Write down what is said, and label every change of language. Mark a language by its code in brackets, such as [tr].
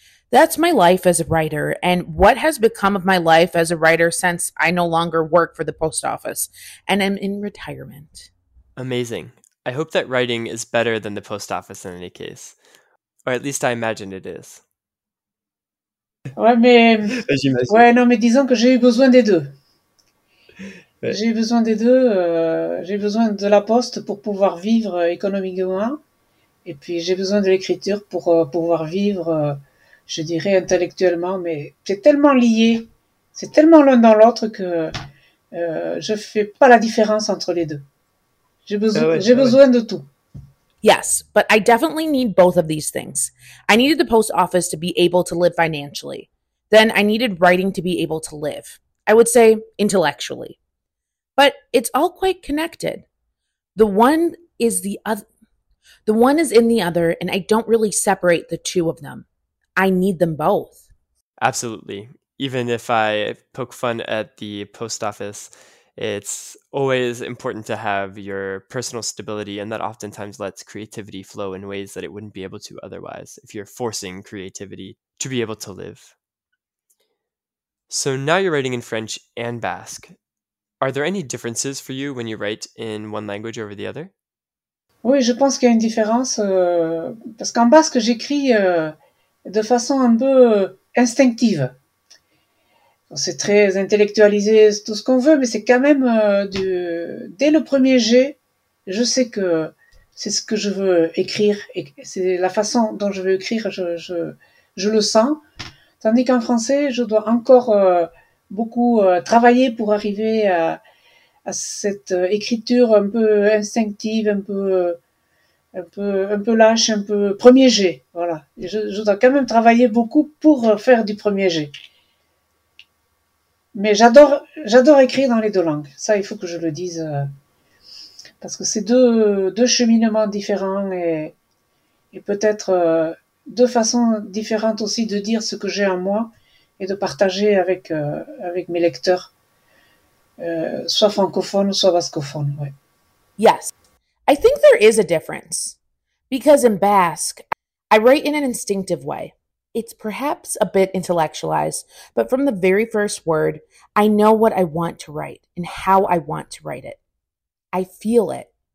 [en] That's my life as a writer and what has become of my life as a writer since I no longer work for the post office and am in retirement. Amazing. I hope that writing is better than the post office in any case, or at least I imagine it is. [fr] Ouais, mais... Ouais, non, mais disons que j'ai eu besoin des deux. Ouais. J'ai besoin des deux, j'ai besoin de la poste pour pouvoir vivre économiquement, et puis j'ai besoin de l'écriture pour pouvoir vivre, je dirais, intellectuellement, mais c'est tellement lié, c'est tellement l'un dans l'autre que je fais pas la différence entre les deux. J'ai besoin, ouais. de tout. [en] Yes, but I definitely need both of these things. I needed the post office to be able to live financially. Then I needed writing to be able to live. I would say intellectually. But it's all quite connected. The one is the other. The one is in the other, and I don't really separate the two of them. I need them both. Absolutely. Even if I poke fun at the post office, it's always important to have your personal stability, and that oftentimes lets creativity flow in ways that it wouldn't be able to otherwise, if you're forcing creativity to be able to live. So now you're writing in French and Basque. Are there any differences for you when you write in one language over the other? [fr] Oui, je pense qu'il y a une différence parce qu'en basque, j'écris de façon un peu instinctive. C'est très intellectualisé, tout ce qu'on veut, mais c'est quand même dès le premier jet, je sais que c'est ce que je veux écrire et c'est la façon dont je veux écrire, je le sens. Tandis qu'en français, je dois encore beaucoup travailler pour arriver à cette écriture un peu instinctive, un peu lâche, un peu premier jet. Voilà. Je dois quand même travailler beaucoup pour faire du premier jet. Mais j'adore écrire dans les deux langues. Ça, il faut que je le dise. Parce que c'est deux cheminements différents et peut-être deux façons différentes aussi de dire ce que j'ai en moi et de partager avec mes lecteurs, soit francophones, soit bascophones. Ouais. [en] Yes. I think there is a difference. Because in Basque, I write in an instinctive way. It's perhaps a bit intellectualized, but from the very first word, I know what I want to write and how I want to write it. I feel it.